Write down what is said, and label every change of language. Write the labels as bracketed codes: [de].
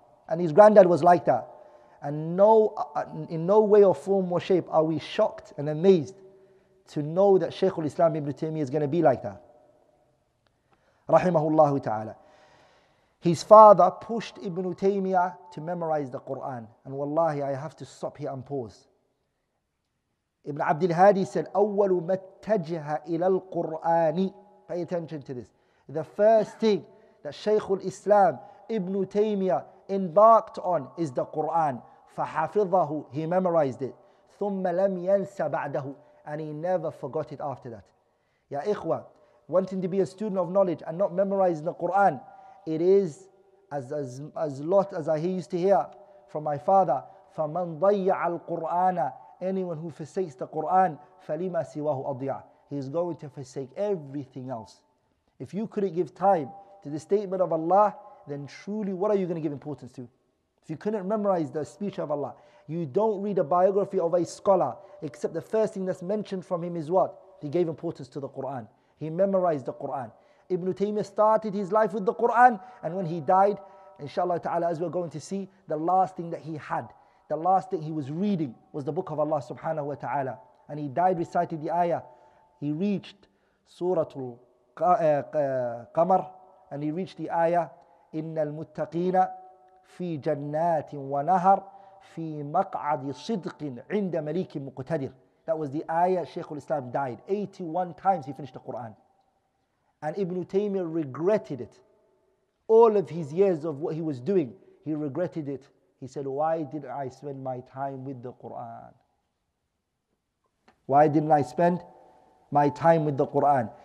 [en] And his granddad was like that. And in no way or form or shape are we shocked and amazed to know that Shaykh al-Islam ibn Taymiyyah is going to be like that. Rahimahullah ta'ala. His father pushed Ibn Taymiyyah to memorize the Quran. And wallahi, I have to stop here and pause. Ibn Abdul Hadi said, [ar] أول ما اتجه إلى القرآن. [en] Pay attention to this. The first thing that Shaykh al-Islam Ibn Taymiyyah embarked on is the Quran. [ar] فَحَفِظَهُ, [en] he memorized it. [ar] ثُمَّ لَمْ يَنْسَ بَعْدَهُ, [en] and he never forgot it after that. Ya ikhwa, wanting to be a student of knowledge and not memorizing the Quran, it is as I used to hear from my father, [ar] فَمَنْ ضَيَّعَ الْقُرْآنَ, [en] anyone who forsakes the Quran, [ar] فَلِمَا سِوَاهُ أَضْيَعَ, [en] he is going to forsake everything else. If you couldn't give time to the statement of Allah, then truly what are you going to give importance to? If you couldn't memorize the speech of Allah, you don't read a biography of a scholar, except the first thing that's mentioned from him is what? He gave importance to the Quran. He memorized the Quran. Ibn Taymiyyah started his life with the Quran, and when he died, inshallah ta'ala, as we're going to see, the last thing that he had, the last thing he was reading was the book of Allah subhanahu wa ta'ala. And he died reciting the ayah. He reached Suratul Qamar, and he reached the ayah, [ar] إِنَّ الْمُتَّقِينَ فِي جَنَّاتٍ وَنَهَرٍ فِي مَقْعَدِ صِدْقٍ عِنْدَ مَلِيكٍ مُقْتَدِرٍ. [en] That was the ayah Shaykh al-Islam died. 81 times he finished the Quran. And Ibn Taymiyyah regretted it. All of his years of what he was doing, he regretted it. He said, why didn't I spend my time with the Quran? Why didn't I spend my time with the Quran?